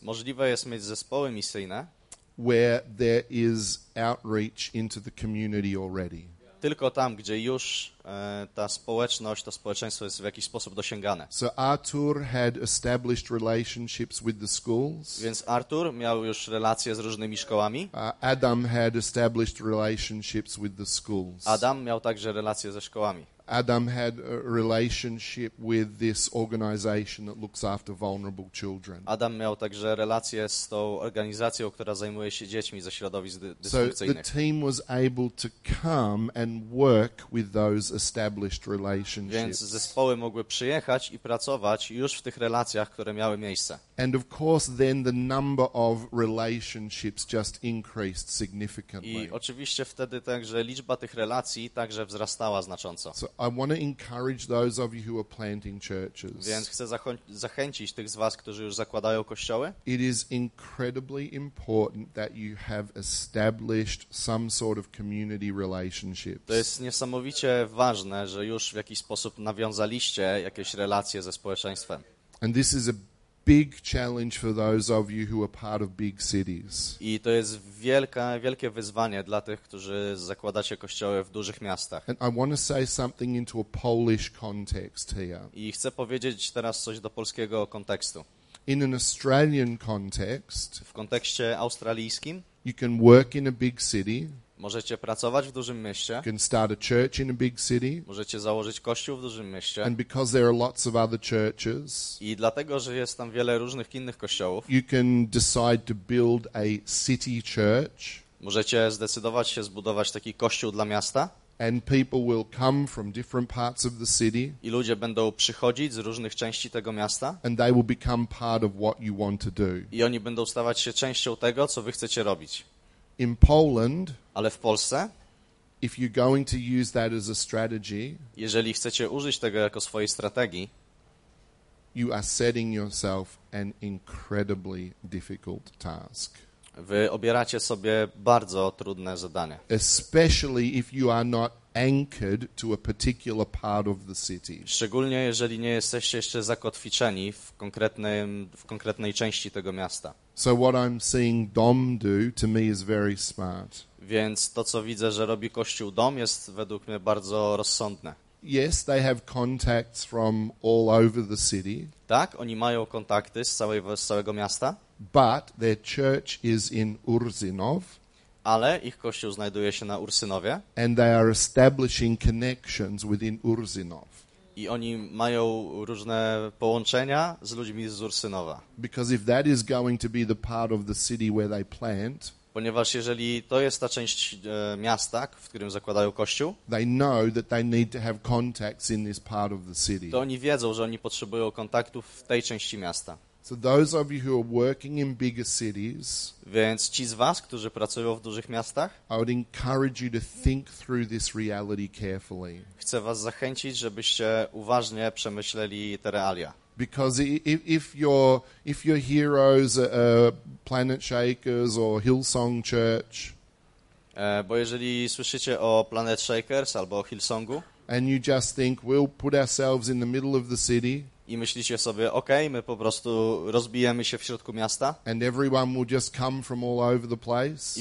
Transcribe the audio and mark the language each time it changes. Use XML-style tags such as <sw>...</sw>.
<pl>możliwe jest mieć zespoły misyjne,</pl> <en>where there is outreach into the community already.</en> <pl>tylko tam, gdzie już ta społeczność, to społeczeństwo jest w jakiś sposób dosięgane.</pl> <en>So Artur had established relationships with the schools.</en> <pl>Więc Artur miał już relacje z różnymi szkołami.</pl> <en>Adam had established relationships with the schools.</en> <pl>Adam miał także relacje ze szkołami.</pl> <en>Adam had a relationship with this organization that looks after vulnerable children.</en> <pl>Adam miał także relacje z tą organizacją, która zajmuje się dziećmi ze środowisk dysfunkcyjnych.</pl> <en>So the team was able to come and work with those established relationships.</en> <pl>Więc zespoły mogły przyjechać i pracować już w tych relacjach, które miały miejsce.</pl> <en>And of course then the number of relationships just increased significantly.</en> <pl>I oczywiście wtedy także liczba tych relacji także wzrastała znacząco.</pl> <en>So I want to encourage those of you who are planting churches.</en> <pl>Więc chcę zachęcić tych z was, którzy już zakładają kościoły.</pl> <en>It is incredibly important that you have established some sort of community relationships.</en> <pl>To jest niesamowicie ważne, że już w jakiś sposób nawiązaliście jakieś relacje ze społeczeństwem.</pl> <en>And this is a big challenge for those of you who are part of big cities.</en> <pl>I to jest wielkie wyzwanie dla tych, którzy zakładacie kościoły w dużych miastach.</pl> <en>And I want to say something into a Polish context here.</en> <pl>I chcę powiedzieć teraz coś do polskiego kontekstu.</pl> <en>In an Australian context,</en> <pl>w kontekście australijskim,</pl> <en>you can work in a big city.</en> <pl>Możecie pracować w dużym mieście.</pl> <en>You can start a church in a big city.</en> <pl>Możecie założyć kościół w dużym mieście.</pl> <en>And because there are lots of other churches,</en> <pl>i dlatego, że jest tam wiele różnych innych kościołów,</pl> <en>you can decide to build a city church.</en> <pl>Możecie zdecydować się zbudować taki kościół dla miasta.</pl> <en>And people will come from different parts of the city.</en> <pl>I ludzie będą przychodzić z różnych części tego miasta.</pl> <en>And they will become part of what you want to do.</en> <pl>I oni będą stawać się częścią tego, co wy chcecie robić.</pl> <en>In Poland,</en> <pl>ale w Polsce,</pl> <en>if you're going to use that as a strategy,</en> <pl>jeżeli chcecie użyć tego jako swojej strategii,</pl> <en>you are setting yourself an incredibly difficult task.</en> <pl>Wy obieracie sobie bardzo trudne zadanie.</pl> <en>Especially if you are not anchored to a particular part of the city.</en> <pl>Szczególnie jeżeli nie jesteście jeszcze zakotwiczeni w konkretnej części tego miasta.</pl> <en>So what I'm seeing Dom do to me is very smart.</en> <pl>Więc to, co widzę, że robi kościół Dom, jest według mnie bardzo rozsądne.</pl> <en>Yes, they have contacts from all over the city.</en> <pl>Tak, oni mają kontakty z całego miasta.</pl> <en>But their church is in Ursynów.</en> <pl>Ale ich kościół znajduje się na Ursynowie.</pl> <en>And they are establishing connections within Ursynów.</en> <pl>I oni mają różne połączenia z ludźmi z Ursynowa.</pl> <en>Because if that is going to be the part of the city where they plant,</en> <pl>ponieważ jeżeli to jest ta część miasta, w którym zakładają kościół,</pl> <en>they know that they need to have contacts in this part of the city.</en> <pl>To oni wiedzą, że oni potrzebują kontaktów w tej części miasta.</pl> <en>So those of you who are working in bigger cities,</en> <pl>więc ci z was, którzy pracują w dużych miastach,</pl> <en>I would encourage you to think through this reality carefully.</en> <pl>Chcę was zachęcić, żebyście uważnie przemyśleli te realia.</pl> <en>Because if your heroes are Planet Shakers or Hillsong Church,</en> <pl>bo jeżeli słyszycie o Planet Shakers albo o Hillsongu,</pl> <en>and you just think we'll put ourselves in the middle of the city,</en> <pl>i myślicie sobie, okej, my po prostu rozbijemy się w środku miasta,</pl> <en>and everyone will just come from all over the place,</en>